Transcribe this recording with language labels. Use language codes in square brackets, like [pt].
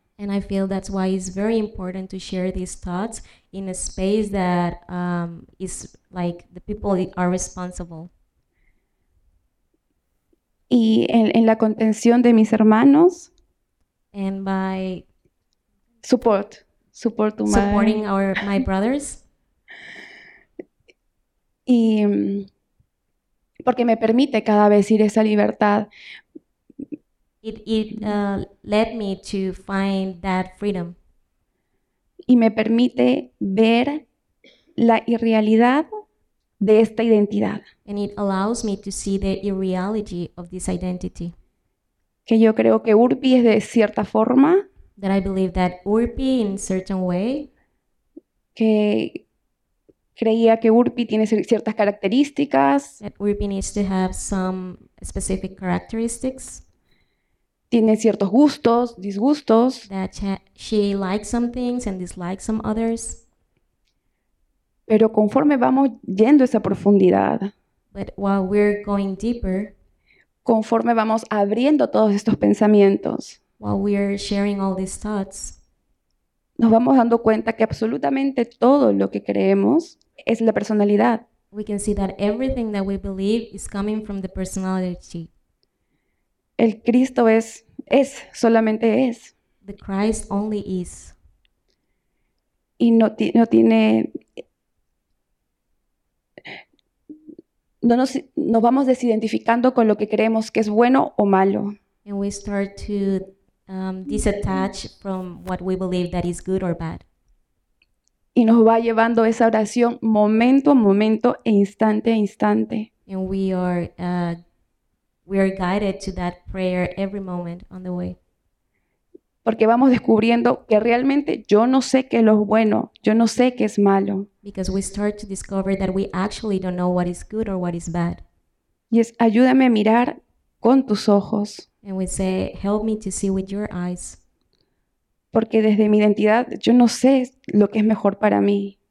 [en] And I feel that's why it's very important to share these thoughts in a space that is like the people are responsible. [es] Y en la contención de mis hermanos, [en] And by support to supporting my. my brothers. [es] Y porque me permite cada vez ir esa libertad. [en] It led me to find that freedom. [es] Y me permite ver la irrealidad de esta identidad. [en] And it allows me to see the irreality of this identity. [es] Que yo creo que Urpi es de cierta forma. [en] That I believe that Urpi in a certain way. [es] Que creía que Urpi tiene ciertas características. [en] That Urpi needs to have some specific characteristics. [es] Tiene ciertos gustos, disgustos. [en] That she likes some things and dislikes some others. [es] Pero conforme vamos yendo a esa profundidad, [en] But while we're going deeper, [es] conforme vamos abriendo todos estos pensamientos, [en] while we're sharing all these thoughts, [es] nos vamos dando cuenta que absolutamente todo lo que creemos es la personalidad. [en] we can see that everything that we believe is coming from the personality. [es] El Cristo es, solamente es. [en] The Christ only is. [es] Y no vamos desidentificando con lo que creemos que es bueno o malo. [en] And we start to disattach from what we believe that is good or bad. [es] Y nos va llevando esa oración momento a momento e instante a instante. [en] And we are guided to that prayer every moment on the way. [es] Porque vamos descubriendo que realmente yo no sé qué es lo bueno, yo no sé qué es malo. [en] Because we start to discover that we actually don't know what is good or what is bad. [es] Y es, ayúdame a mirar con tus ojos. [en] And we say, help me to see with your eyes. [es] Porque desde mi identidad yo no sé lo que es mejor para mí.